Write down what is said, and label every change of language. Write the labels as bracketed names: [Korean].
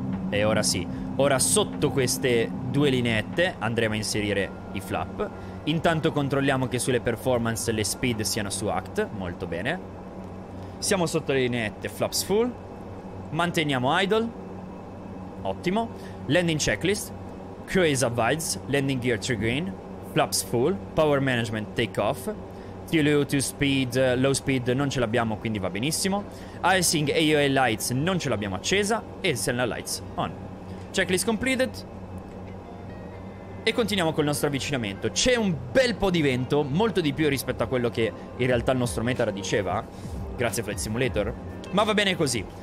[Italian] E ora sì, ora sotto queste due lineette andremo a inserire i flap. Intanto controlliamo che sulle performance le speed siano su act, molto bene. Siamo sotto le lineette, flaps full. Manteniamo idle, ottimo. [English] Landing checklist, cruise advice, landing gear triggering, flaps full, power management take off. TLU to speed, low speed [Italian] non ce l'abbiamo, quindi va benissimo. [English] Icing AOA lights [Italian] non ce l'abbiamo accesa. E [English] signal lights on. Checklist completed. [Italian] E continuiamo col nostro avvicinamento. C'è un bel po' di vento, molto di più rispetto a quello che in realtà il nostro meteo diceva, grazie Flight Simulator. Ma va bene così.